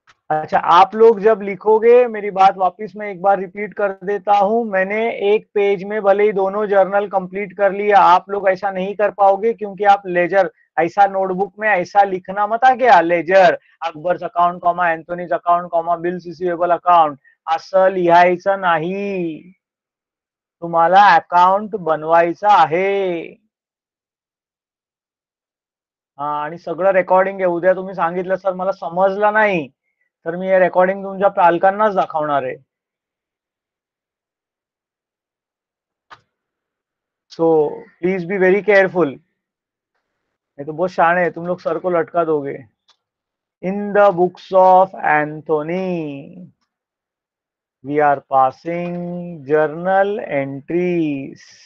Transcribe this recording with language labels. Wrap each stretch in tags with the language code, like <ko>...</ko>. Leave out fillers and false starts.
<hi>अच्छा आप लोग जब लिखोगे मेरी बात वापस मैं एक बार रिपीट कर देता हूं, मैंने एक पेज में भले ही दोनों जर्नल कंप्लीट कर लिया, आप लोग ऐसा नहीं कर पाओगे क्योंकि आप लेजर ऐसा नोटबुक में ऐसा लिखना मत, आ गया laser Akbar account comma Anthony's account comma bills receivable account</hi> <mr>असं लिहायचं नाही, तुम्हाला अकाउंट बनवायचं आहे। हाँ आणि सगळं रेकॉर्डिंग आहे, उद्या तुम्ही सांगितलं सर मला समजलं नाही तर मी हे रेकॉर्डिंग तुमच्या पालकांनाच दाखवणार आहे।</mr> <en>so please be very careful,</en> <hi>नाही तो बहुत शाणे है, तुम लोग सर को लटका दोगे।</hi> <en>In the books of Anthony we are passing journal entries.</en>